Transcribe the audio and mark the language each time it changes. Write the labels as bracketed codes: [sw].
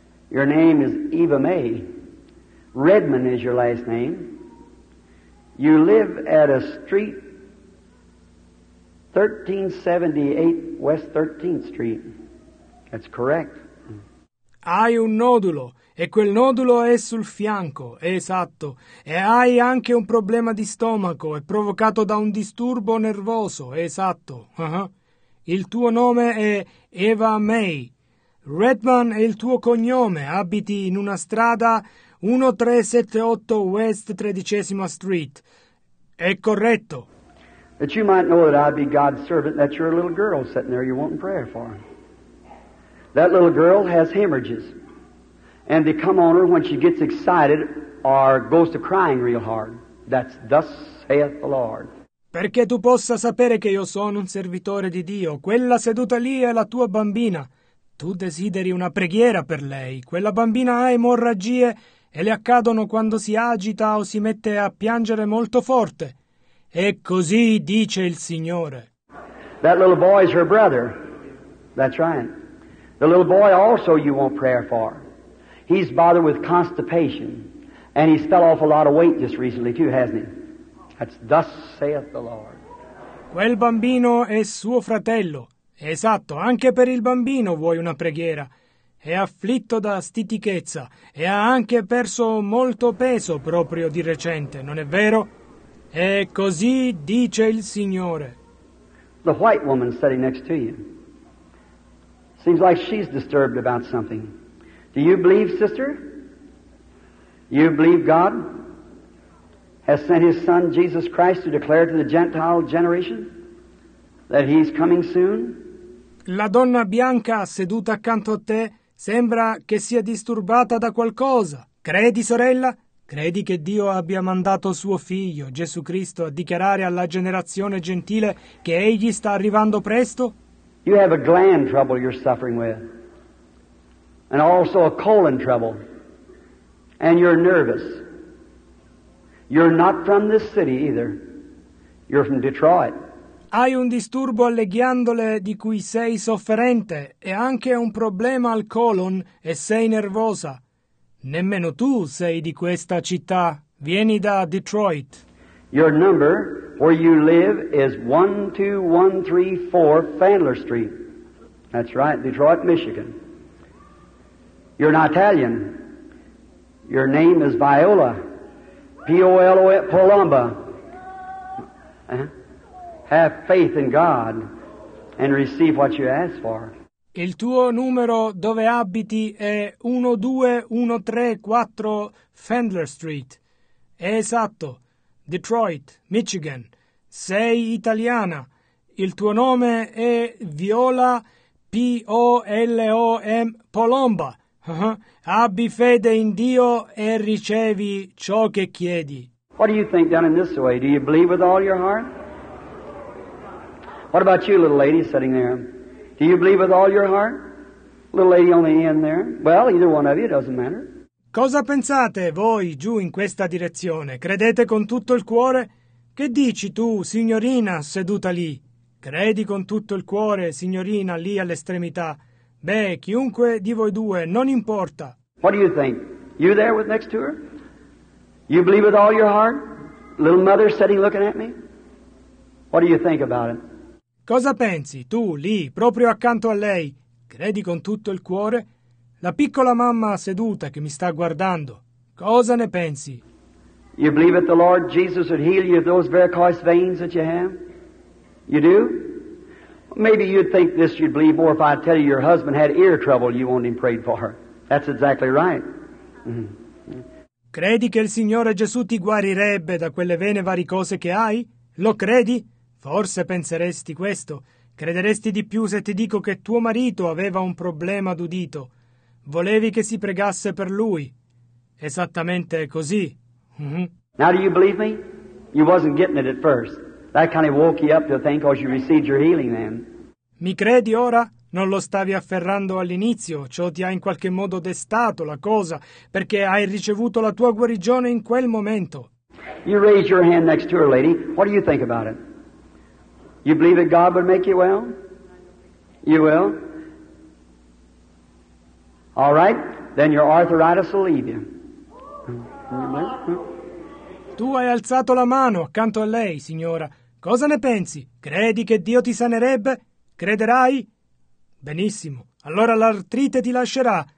[en] Your name is Eva May. Redmond is your last name. You live at a street, 1378 West 13th Street. That's correct. [it] Hai un nodulo, e quel nodulo è sul fianco, è esatto. E hai anche un problema di stomaco, è provocato da un disturbo nervoso, è esatto. Il tuo nome è Eva May. Redman è il tuo cognome, abiti in una strada 1378 West 13th Street. È corretto. [en] That you might know that I be God's servant, that you're a little girl sitting there you're wanting prayer for. That little girl has hemorrhages, and they come on her when she gets excited or goes to crying real hard. That's thus saith the Lord. [it] Perché tu possa sapere che io sono un servitore di Dio, quella seduta lì è la tua bambina. Tu desideri una preghiera per lei. Quella bambina ha emorragie e le accadono quando si agita o si mette a piangere molto forte. E così dice il Signore. [en] That little boy is her brother. That's right. The little boy also you want prayer for. He's bothered with constipation. And he's fell off a lot of weight just recently too, hasn't he? That's thus saith the Lord. [it] Quel bambino è suo fratello. Esatto, anche per il bambino vuoi una preghiera. È afflitto da stitichezza e ha anche perso molto peso proprio di recente, non è vero? E così dice il Signore. [en] The white woman sitting next to you. Seems like she's disturbed about something. Do you believe, sister? You believe God has sent his son Jesus Christ to declare to the Gentile generation that he's coming soon? [it] La donna bianca seduta accanto a te sembra che sia disturbata da qualcosa. Credi, sorella? Credi che Dio abbia mandato suo figlio, Gesù Cristo, a dichiarare alla generazione gentile che egli sta arrivando presto? [en] You have a gland trouble you're suffering with, and also a colon trouble, and you're nervous. You're not from this city either. You're from Detroit. [it] Hai un disturbo alle ghiandole di cui sei sofferente e anche un problema al colon e sei nervosa. Nemmeno tu sei di questa città. Vieni da Detroit. [en] Your number where you live is 12134 Fandler Street. That's right, Detroit, Michigan. You're not Italian. Your name is Viola. P-O-L-O-E, Palomba. Have faith in God and receive what you ask for. [it] Il tuo numero dove abiti è 12134 Fandler Street. È esatto. Detroit, Michigan. Sei italiana. Il tuo nome è Viola P-O-L-O-M Palomba. Abbi fede in Dio e ricevi ciò che chiedi. [en] What do you think down in this way? Do you believe with all your heart? What about you, little lady sitting there? Do you believe with all your heart? Little lady on the end there? Well, either one of you, it doesn't matter. [it] Cosa pensate voi giù in questa direzione? Credete con tutto il cuore? Che dici tu, signorina, seduta lì? Credi con tutto il cuore, signorina, lì all'estremità? Beh, chiunque di voi due, non importa. [en] What do you think? You there with next to her? You believe with all your heart? Little mother sitting looking at me? What do you think about it? [it] Cosa pensi, tu, lì, proprio accanto a lei? Credi con tutto il cuore? La piccola mamma seduta che mi sta guardando, cosa ne pensi? [en] You believe that the Lord Jesus would heal you of those varicose veins that you have? You do? Maybe you'd think this you'd believe more if I tell you your husband had ear trouble you wanted him prayed for. That's exactly right. [it] Credi che il Signore Gesù ti guarirebbe da quelle vene varicose che hai? Lo credi? Forse penseresti questo. Crederesti di più se ti dico che tuo marito aveva un problema d'udito. Volevi che si pregasse per lui. Esattamente così. [en] Now do you believe me? You wasn't getting it at first. That kind of woke you up to think because you received your healing then. [it] Mi credi ora? Non lo stavi afferrando all'inizio. Ciò ti ha in qualche modo destato la cosa, perché hai ricevuto la tua guarigione in quel momento. [en] You raise your hand next to her, lady. What do you think about it? You believe that God would make you well? You will? All right. then your arthritis will leave you. [it] Tu hai alzato la mano accanto a lei, signora. Cosa ne pensi? Credi che Dio ti sanerebbe? Crederai? Benissimo. Allora l'artrite ti lascerà.